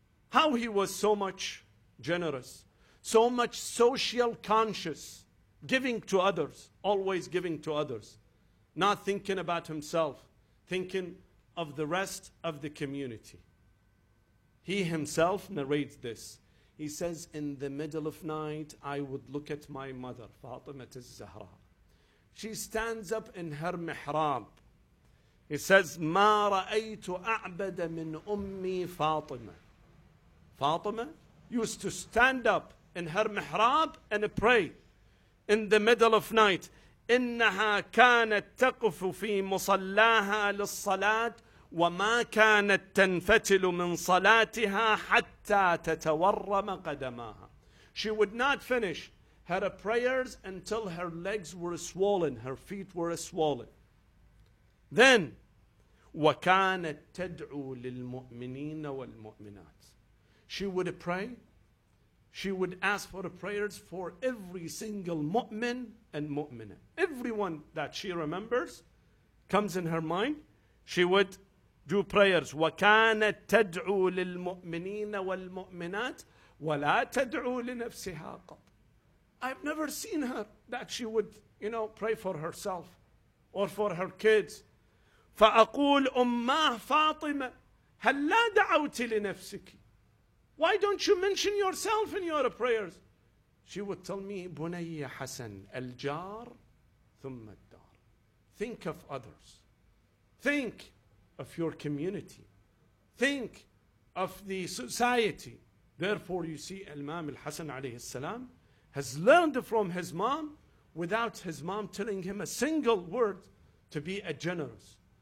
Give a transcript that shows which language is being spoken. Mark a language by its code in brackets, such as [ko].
[en] How he was so much generous, so much social conscious, giving to others, always giving to others, not thinking about himself, thinking of the rest of the community. He himself narrates this. He says, in the middle of night, I would look at my mother, Fatima al-Zahra. She stands up in her mihrab. He says, [ar] مَا رَأَيْتُ أَعْبَدَ مِنْ أُمِّي فَاطِمَة. [en] Fatima used to stand up in her mihrab and pray in the middle of night. [ar] إِنَّهَا كَانَتْ تَقُفُ فِي مُصَلَّاهَا لِلصَّلَاةِ وَمَا كَانَتْ تَنْفَتِلُ مِنْ صَلَاتِهَا حَتَّى تَتَوَرَّمَ قَدَمَاهَا. [en] She would not finish her prayers until her legs were swollen, her feet were swollen. Then, [ar] وَكَانَتْ تَدْعُو لِلْمُؤْمِنِينَ وَالْمُؤْمِنَاتِ. [en] She would pray. She would ask for the prayers for every single mu'min and mu'mina. Everyone that she remembers comes in her mind. She would do prayers. [ar] وَكَانَتْ تَدْعُو لِلْمُؤْمِنِينَ وَالْمُؤْمِنَاتِ وَلَا تَدْعُو لِنَفْسِهَا قَبْ. [en] I've never seen her that she would, you know, pray for herself or for her kids. [ar] فَأَقُولْ أُمَّا فَاطِمَ هَلْ لَا دَعَوْتِ لِنَفْسِكِ. [en] Why don't you mention yourself in your prayers? She would tell me, [ar] بُنَيَّ حَسَنْ الْجَارْ ثُمَّ الدَّارْ. [en] Think of others. Think of your community. Think of the society. Therefore, you see, Imam al-Hasan [ar] alayhi salam [en] has learned from his mom without his mom telling him a single word to be a generous.